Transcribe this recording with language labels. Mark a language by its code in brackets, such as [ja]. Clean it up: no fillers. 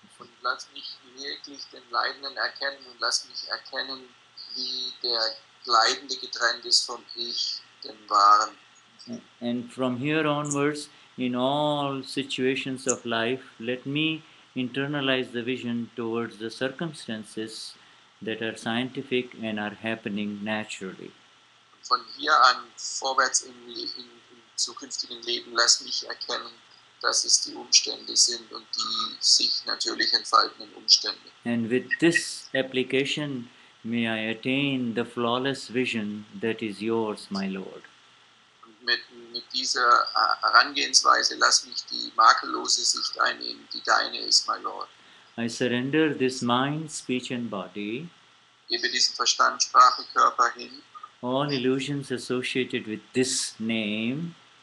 [de] Und lass mich wirklich den Leidenden erkennen und lass mich erkennen, wie der Leidende getrennt ist vom Ich, dem Wahren. [en] And from here onwards, in all situations of life, let me internalize the vision towards the circumstances that are scientific and are happening naturally. [de] Von hier an, vorwärts im zukünftigen Leben, lass mich erkennen, dass es die Umstände sind und die sich natürlich entfaltenden Umstände. [en] And with this application, may I attain the flawless vision that is yours, my Lord. [de] Mit dieser Herangehensweise lass mich die makellose Sicht einnehmen, die deine ist, [en] my Lord. I surrender this mind, speech and body. [de] Gebe diesen Verstand, Sprache, Körper hin. [en] All illusions associated with this name.